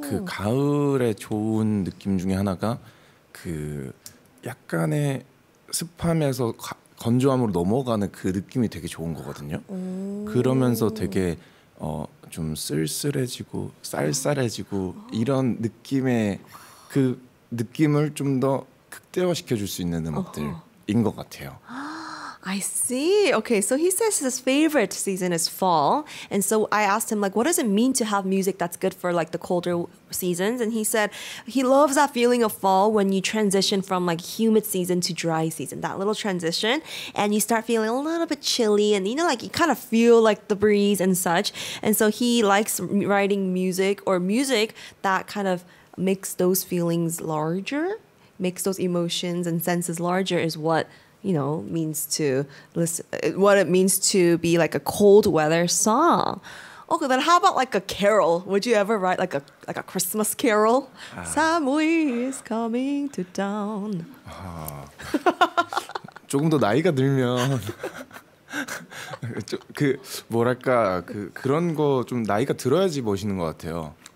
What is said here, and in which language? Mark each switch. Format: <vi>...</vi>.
<ko>그 가을의 좋은 느낌 중에 하나가 그 약간의 습함에서 건조함으로 넘어가는 그 느낌이 되게 좋은 거거든요. 오. 그러면서 되게 좀 쓸쓸해지고 쌀쌀해지고 이런 느낌의 그 느낌을 좀 더 극대화시켜줄 수 있는 음악들인 것 같아요.</ko> <en>I see. Okay, so he says his favorite season is fall. And so I asked him, like, what does it mean to have music that's good for, like, the colder seasons? And he said he loves that feeling of fall when you transition from, like, humid season to dry season, that little transition. And you start feeling a little bit chilly and, you know, like, you kind of feel, like, the breeze and such. And so he likes writing music or music that kind of makes those feelings larger, makes those emotions and senses larger is what, you know, means to listen, what it means to be like a cold weather song. Okay, then how about like a carol? Would you ever write like a Christmas carol? Samui is coming to town.</en> <ko>조금 더 나이가 들면 그 뭐랄까 그 그런 거 좀 나이가 들어야지 멋있는 것 같아요.</ko>